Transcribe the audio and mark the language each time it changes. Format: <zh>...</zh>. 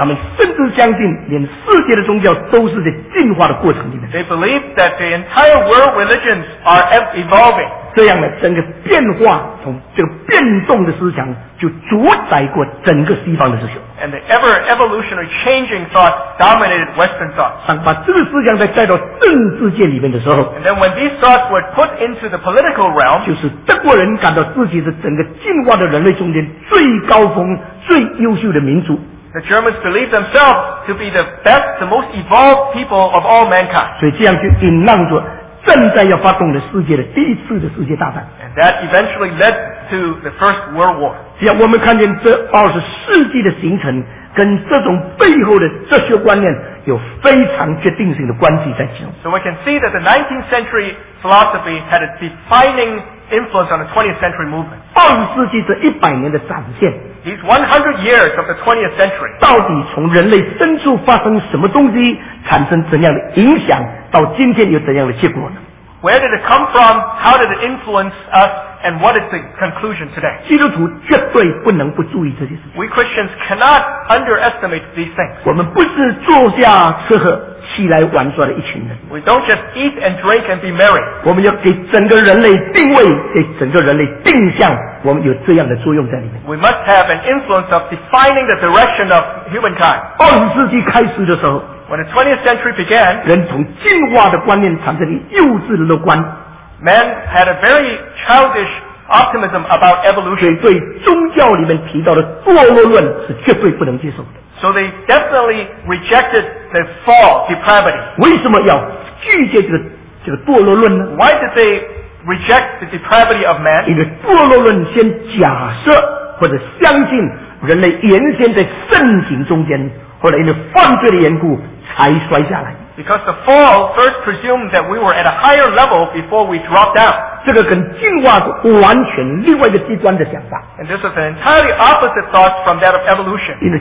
<zh>他们甚至相信连世界的宗教都是在进化的过程里面。</zh> <en>They believe that the entire world religions are evolving.</en> <zh>这样的整个变化从这个变动的思想就主宰过整个西方的思想。</zh> <en>And the ever evolutionary changing thought dominated Western thought.</en> <zh>当把这个思想再带到政治界里面的时候</zh> <en>And then when these thoughts were put into the political realm,</en> <zh>就是德国人感到自己是整个进化的人类中间最高峰最优秀的民族。</zh> <en>The Germans believed themselves to be the best, the most evolved people of all mankind.</en> <zh>所以这样就引浪着正在要发动的世界的第一次的世界大战。</zh> <en>And that eventually led to the First World War.</en> <zh>只要我们看见这二十世纪的形成跟这种背后的哲学观念有非常决定性的关系在其中。</zh> <en>So we can see that the 19th century philosophy had a defining influence on the 20th century movement.</en> <zh>二十世纪这一百年的展现</zh> <en>These 100 years of the 20th century</en> <zh>到底从人类深处发生什么东西产生怎样的影响到今天有怎样的结果呢？</zh> <en>Where did it come from? How did it influence us? And what is the conclusion today?</en> <zh>基督徒绝对不能不注意这些事情。</zh> <en>We Christians cannot underestimate these things.</en> <zh>我们不是坐下吃喝起来玩耍的一群人。</zh> <en>We don't just eat and drink and be merry.</en> <zh>我们要给整个人类定位，给整个人类定向，我们有这样的作用在里面。</zh> <en>We must have an influence of defining the direction of humankind.</en> <zh>二十世纪开始的时候</zh> <en>When the 20th century began,</en> <zh>人从进化的观念产生幼稚的乐观。</zh> <en>Man had a very childish optimism about evolution.</en> <zh>所以对宗教里面提到的堕落论是绝对不能接受的。</zh> <en>So they definitely rejected the fall, depravity.</en> <zh>为什么要拒绝这个堕落论呢？</zh> <en>Why did they reject the depravity of man.</en> <zh>因为堕落论先假设或者相信人类原先在圣经中间，后来因为犯罪的缘故才摔下来。</zh> <en>Because the fall first presumed that we were at a higher level before we dropped down.</en> <zh>这个跟进化是完全另外一个极端的想法。</zh> <en>And this is an entirely opposite thought from that of evolution.</en>